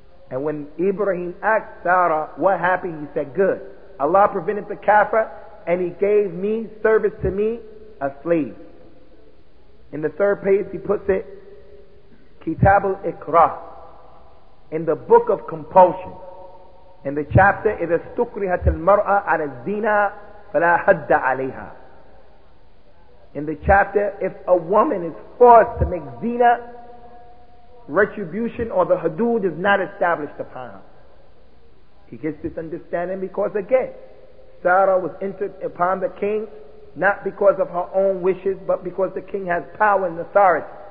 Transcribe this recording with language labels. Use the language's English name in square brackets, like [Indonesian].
[English] And when Ibrahim asked Sarah what happened, he said, good, Allah prevented the kafir, and he gave me, service to me, a slave. In the third page, he puts it, Kitab al-Iqra, in the book of compulsion. In the chapter, [Arabic] إذا استكرهت المرأة على الزنا فلا حد عليها. [English] In the chapter, if a woman is forced to make zina, retribution or the hudud is not established upon her. He gets this understanding because, again, Sarah was entered upon the king not because of her own wishes, but because the king has power and authority.